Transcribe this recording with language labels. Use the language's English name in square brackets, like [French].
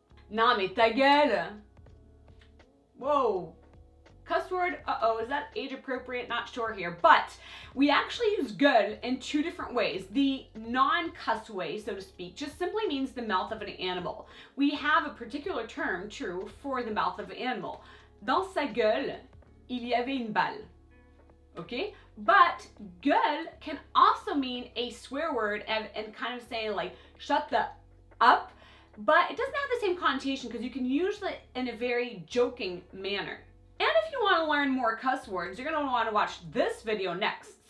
[French] Non, mais ta gueule! Whoa! [English] Cuss word, is that age appropriate? Not sure here, but we actually use gueule in two different ways. The non-cuss way, so to speak, just simply means the mouth of an animal. We have a particular term, true, for the mouth of an animal. [French] Dans sa gueule, il y avait une balle. [English] Okay? But gueule can also mean a swear word and kind of saying like, shut the up, but it doesn't have the same connotation because you can use it in a very joking manner. And if you want to learn more cuss words, you're going to want to watch this video next.